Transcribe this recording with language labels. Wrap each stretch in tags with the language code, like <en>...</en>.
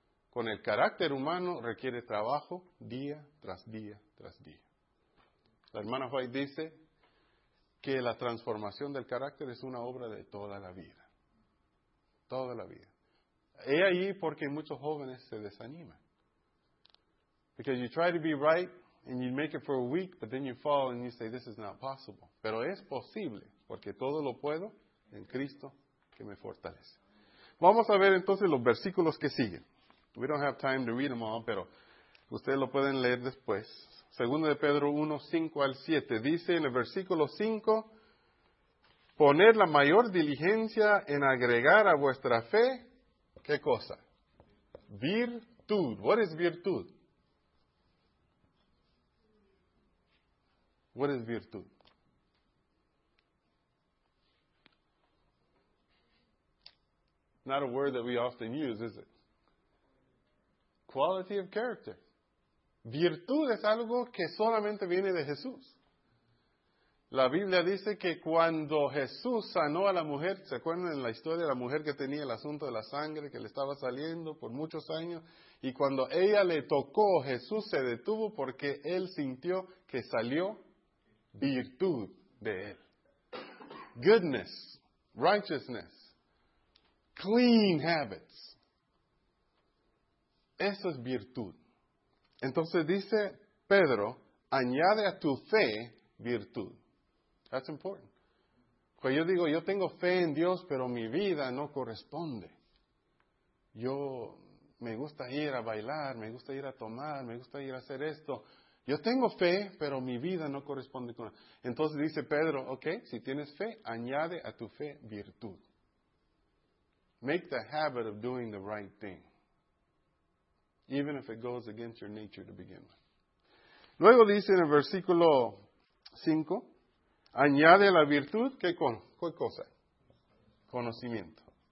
<es>Con el carácter humano requiere trabajo día tras día tras día. La hermana White dice que la transformación del carácter es una obra de toda la vida. Toda la vida. He ahí porque muchos jóvenes se desaniman.</es> <en>Because you try to be right, and you make it for a week, but then you fall and you say, this is not possible.</en> <es>Pero es posible, porque todo lo puedo en Cristo que me fortalece. Vamos a ver entonces los versículos que siguen.</es> <en>We don't have time to read them all,</en> <es>pero ustedes lo pueden leer después. Segundo de Pedro 1, 5 al 7. Dice en el versículo 5, poner la mayor diligencia en agregar a vuestra fe, ¿qué cosa?</es> <en>Virtud. What is virtud? What is virtud? Not a word that we often use, is it? Quality of character.</en> <es>Virtud es algo que solamente viene de Jesús. La Biblia dice que cuando Jesús sanó a la mujer, ¿se acuerdan en la historia de la mujer que tenía el asunto de la sangre que le estaba saliendo por muchos años? Y cuando ella le tocó, Jesús se detuvo porque él sintió que salió virtud de él.</es> <en>Goodness, righteousness, clean habits.</en> <es>Eso es virtud. Entonces dice Pedro, añade a tu fe virtud.</es> <en>That's important.</en> <es>Pues yo digo, yo tengo fe en Dios, pero mi vida no corresponde. Yo me gusta ir a bailar, me gusta ir a tomar, me gusta ir a hacer esto. Yo tengo fe, pero mi vida no corresponde con... Entonces dice Pedro, ok, si tienes fe, añade a tu fe virtud.</es> <en>Make the habit of doing the right thing. Even if it goes against your nature to begin with.</en> <es>Luego dice en el versículo 5, añade a la virtud, ¿qué cosa? Conocimiento.</es>